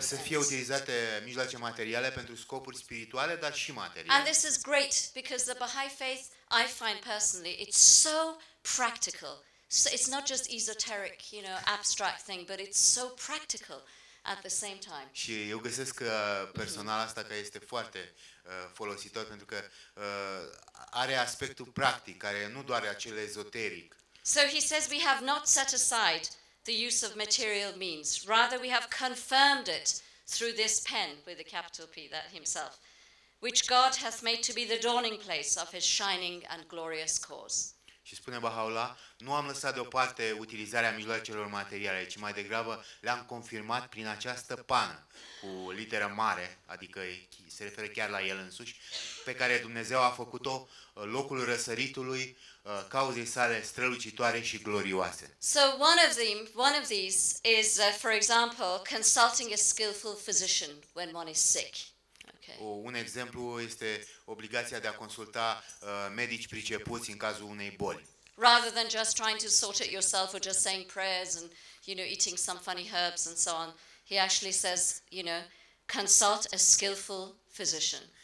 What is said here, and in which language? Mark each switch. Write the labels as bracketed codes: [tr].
[ro] să fie utilizate mijloace materiale pentru scopuri spirituale, dar și materiale. [en] And this is great because the Baha'i faith, I find personally, it's so practical. So it's not just esoteric, you know, abstract thing, but it's so practical at the same time. [ro] Și eu găsesc că personal asta că este foarte folositor pentru că are aspectul practic, care nu doar acel ezoteric. [en] So he says we have not set aside the use of material means, rather we have confirmed it through this pen with a capital P, that himself, which God hath made to be the dawning place of his shining and glorious cause. [ro] Și spune Baha'u'llah, nu am lăsat deoparte utilizarea mijloacelor materiale, ci mai degrabă le-am confirmat prin această pană cu literă mare, adică se referă chiar la el însuși, pe care Dumnezeu a făcut-o locul răsăritului, cauzei sale strălucitoare și glorioase. [en] So one of these is for example consulting a skillful physician when one is sick. Okay. [ro] Un exemplu este obligația de a consulta medici pricepuți în cazul unei boli. [en] Rather than just trying to sort it yourself or just saying prayers and, you know, eating some funny herbs and so on, he actually says, you know, consult a skillful physician.